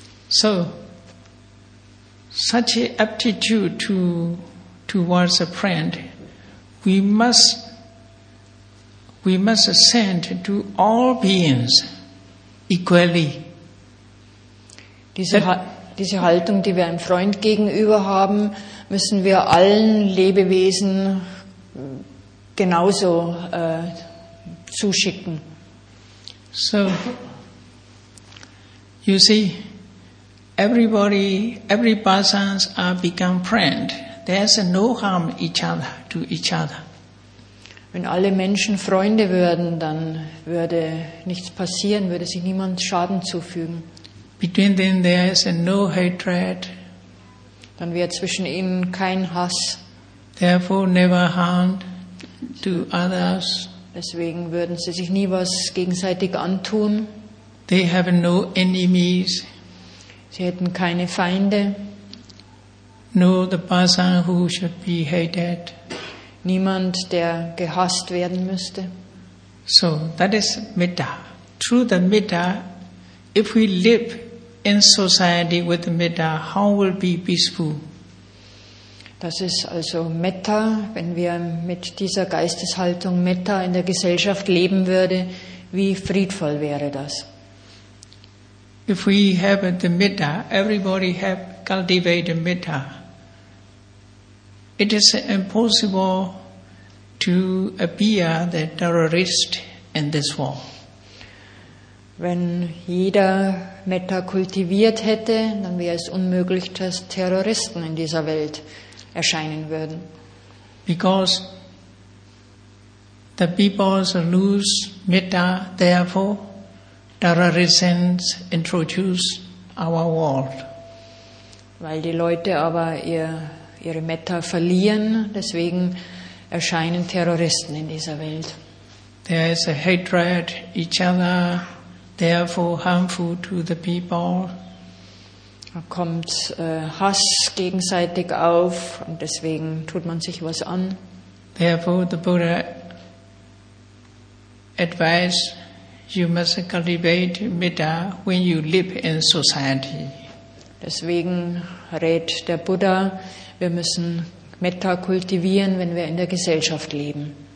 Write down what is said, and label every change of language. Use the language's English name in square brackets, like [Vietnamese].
[English] So, such an aptitude towards a friend, we must send to all beings equally. [German] Diese Haltung, die wir einem Freund gegenüber haben, müssen wir allen Lebewesen genauso zuschicken. [English] So, you see, everybody, every person are become friend. There's no harm each other to each other. [German] Wenn alle Menschen Freunde würden, dann würde nichts passieren, würde sich niemand Schaden zufügen. [English] Between them there is no hatred. [German] Dann wäre zwischen ihnen kein Hass. [English] Therefore never harm to others. [German] Deswegen würden sie sich nie was gegenseitig antun. [English] They have no enemies. [German] Sie hätten keine Feinde. [English] No, the person who should be hated. [German] Niemand, der gehasst werden müsste. [English] So, that is metta. Through the metta, if we live in society with metta, how will be peaceful? [German] Das ist also metta. Wenn wir mit dieser Geisteshaltung metta in der Gesellschaft leben würde, wie friedvoll wäre das? [English] If we have the metta, everybody have cultivated metta. It is impossible to appear the terrorist in this war. [German] Wenn jeder metta kultiviert hätte, dann wäre es unmöglich, dass Terroristen in dieser Welt erscheinen würden. [English] Because the people lose metta, therefore terrorists introduce our world. [German] Weil die Leute aber ihre Metta verlieren, deswegen erscheinen Terroristen in dieser Welt. [English] There is a hatred each other, therefore harmful to the people. [German] Da kommt Hass gegenseitig auf und deswegen tut man sich was an. [English] Therefore the Buddha advised you must cultivate metta when you live in society. [German] Deswegen rät der Buddha, wir müssen Metta kultivieren, wenn wir in der Gesellschaft leben.